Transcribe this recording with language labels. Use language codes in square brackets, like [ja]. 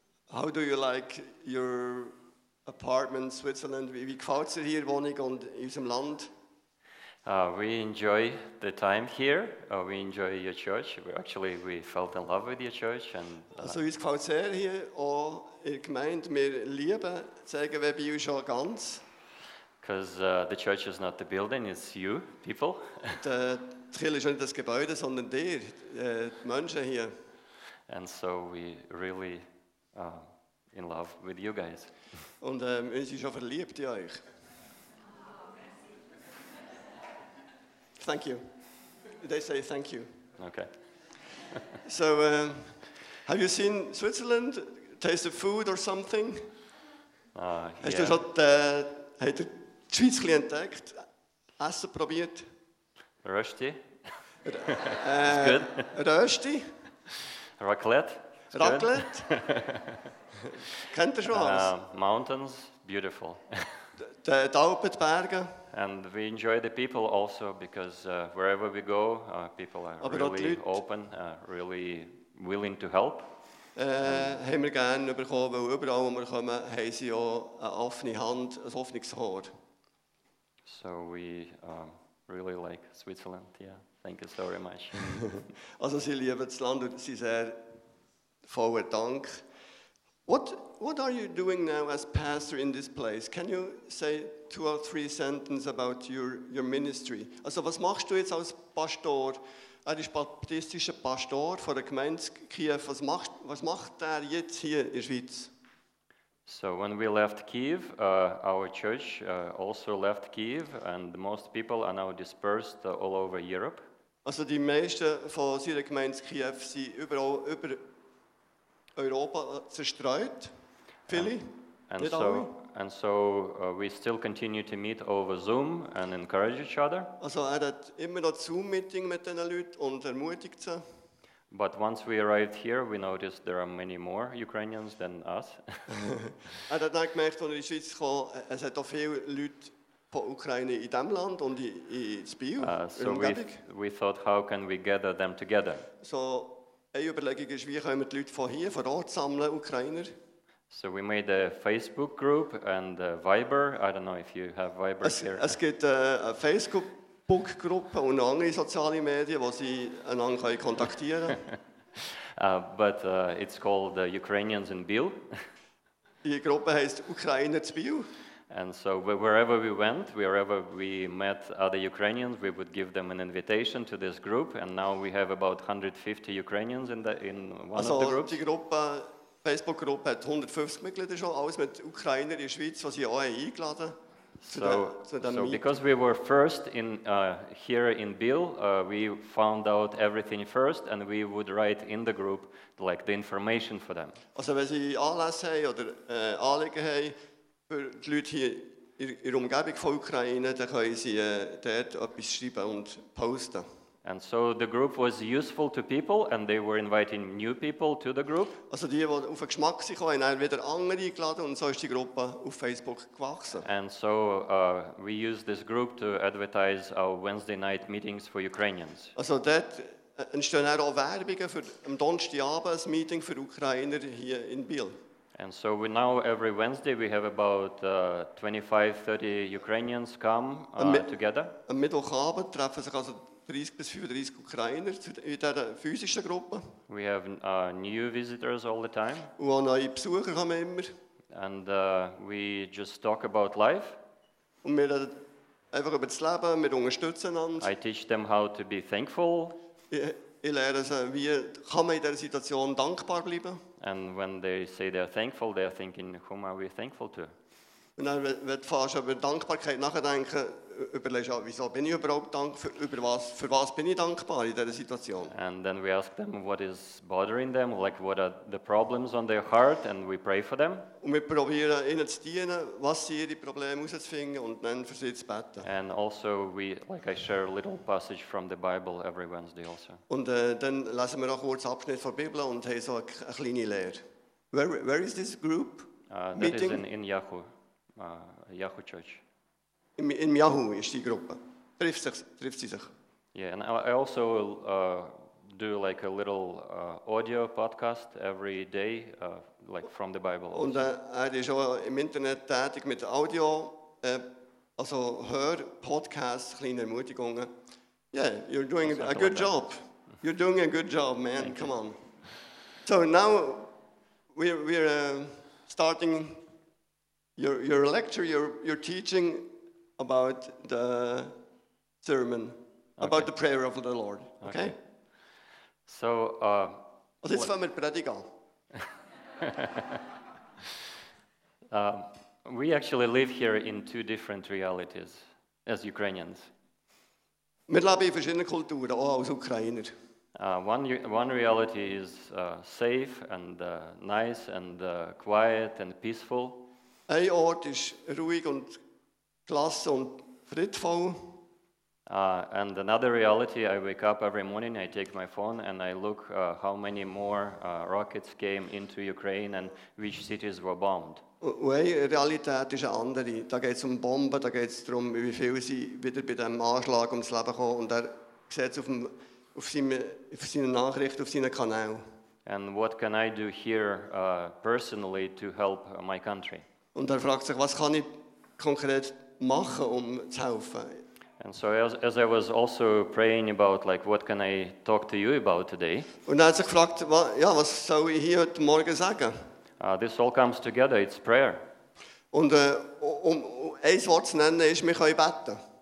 [en] How do you like your apartment in Switzerland? [de] Wie gefällt es dir hier, Wohnung und in unserem Land? [en] We enjoy the time here. We enjoy your church. We fell in love with your church. [de] Also, uns gefällt es sehr hier. Auch ihr gemeint, wir lieben, sagen wir bei uns schon ganz. [en] Because the church is not the building, it's you, people. [de] Die Kirche ist nicht das Gebäude, sondern dir, die Menschen hier. [en] And so we really in love with you guys. [de] Und wir sind schon verliebt in euch. [en] Thank you. They say thank you. Okay. So, have you seen Switzerland? Taste of food or something? [de] Hast du schon die Schweiz entdeckt? Essen probiert? Rösti? Rösti? Raclette? Raclette? Kennt ihr schon was? [en] Mountains, beautiful. [de] Die Alpen, die Berge. [en] And we enjoy the people also, because wherever we go, people are [de] aber [en] really open, really willing to help. [de] Haben wir gerne bekommen, weil überall, wo wir kommen, haben sie auch eine offene Hand, ein offenes Ohr. [en] So we really like Switzerland, yeah. Thank you so very much. [de] Also, Sie lieben das Land und Sie sehr voller Dank. [en] What are you doing now as pastor in this place? Can you say two or three sentences about your ministry? [de] Also, was machst du jetzt als Pastor? Er ist baptistischer Pastor von der Gemeinde Kiew. Was macht er jetzt hier in Schweiz? [en] So when we left Kiev, our church also left Kiev, and most people are now dispersed all over Europe. [de] Also die meisten von unserer Gemeinde Kiew sind überall über Europa zerstreut. Viele, nicht alle. [en] And so we still continue to meet over Zoom and encourage each other. [de] Also er hat immer noch Zoom-Meeting mit den Leuten und ermutigt sie. [en] But once we arrived here, we noticed there are many more Ukrainians than us. [de] Er hat dann gemerkt, als er in die Schweiz kam, es hat auch viele Leute von Ukraine in diesem Land und in Spiel. [en] So we thought, how can we gather them together? [de] So eine Überlegung ist, wie können wir die Leute von hier, von dort sammeln, Ukrainer? [en] So we made a Facebook group and a Viber. I don't know if you have Viber here. [de] Es gibt eine Facebook-Gruppe und andere soziale Medien, wo sie einander kontaktieren können. [en] But it's called Ukrainians in Biel. [de] Die Gruppe heißt Ukrainer in Biel. [en] And so wherever we went, wherever we met other Ukrainians, we would give them an invitation to this group. And now we have about 150 Ukrainians in one of the groups. [de] Also die Facebook-Gruppe hat 150 Mitglieder schon, alles mit Ukrainern in der Schweiz, die sie auch eingeladen haben. [en] So because we were first in here in Biel, we found out everything first, and we would write in the group like the information for them. [de] Also, wenn sie Anlass haben oder Anliegen haben für die Leute hier in der Umgebung von Ukraine, dann können sie dort etwas schreiben und posten. [en] And so the group was useful to people, and they were inviting new people to the group. [de] Also die, wo auf den Geschmack sich kommen, haben wieder andere eingeladen, und so ist die Gruppe auf Facebook gewachsen. [en] And so we use this group to advertise our Wednesday night meetings for Ukrainians. [de] Also dort entstehen auch Werbungen für am Donnerstagabend ein Meeting für Ukrainer hier in Biel. [en] And so we now every Wednesday we have about 25-30 Ukrainians come together. [de] Am Mittwochabend treffen sich also 30 bis 35 Ukrainer in dieser physischen Gruppe. [en] We have new visitors all the time. [de] Und auch neue Besucher haben wir immer. [en] And we just talk about life. [de] Und wir reden einfach über das Leben, wir unterstützen einander. [en] I teach them how to be thankful. [de] Ich lehre sie, wie kann man in dieser Situation dankbar bleiben. [en] And when they say they are thankful, they are thinking, whom are we thankful to? [de] Und dann, wenn du fährst, über Dankbarkeit nachdenken, überlegst du, wieso bin ich überhaupt dankbar, für was bin ich dankbar in dieser Situation? [en] And then we ask them what is bothering them, like what are the problems on their heart, and we pray for them. [de] Und wir probieren ihnen zu dienen, was sie ihre Probleme herauszufinden und dann für sie zu beten. [en] And also we, like I share a little passage from the Bible every Wednesday also. [de] Und dann lesen wir noch kurz Abschnitt von der Bibel und haben so eine kleine Lehre. [en] Where is this group meeting? That is in Yahoo. Yahoo Church. [de] In Yahoo ist die Gruppe. Trifft sie sich. [en] Yeah, and I also do like a little audio podcast every day, like from the Bible. [de] Also. Und er ist auch im Internet tätig mit Audio, also Hör-Podcast, kleine Ermutigungen. [en] Yeah, you're doing also a good like job. That. You're doing a good job, man. Thank Come you. On. So now we're starting your lecture, your teaching about the sermon, okay. About the prayer of the Lord. Okay? So, let's start with Prediger. We actually live here in two different realities as Ukrainians. [de] Wir leben in verschiedenen Kulturen, auch als Ukrainer. [en] One reality is safe and nice and quiet and peaceful. [de] Ein Ort ist ruhig und klasse und friedvoll. [en] And another reality, I wake up every morning, I take my phone and I look how many more rockets came into Ukraine and which cities were bombed. [de] Eine Realität ist eine andere. Da geht es um Bomben, da geht es darum, wie viele sie wieder bei diesem Anschlag ums Leben kommen. Und er sieht es auf seine Nachricht, auf seinen Kanal. [en] And what can I do here personally to help my country? [de] Und er fragt sich, was kann ich konkret machen, um zu helfen? [en] And so as I was also praying about, like, what can I talk to you about today? [de] Und er hat sich gefragt, was soll ich hier heute Morgen sagen? [en] This all comes together, it's prayer. [de] Und um ein Wort zu nennen, ist, wir können beten.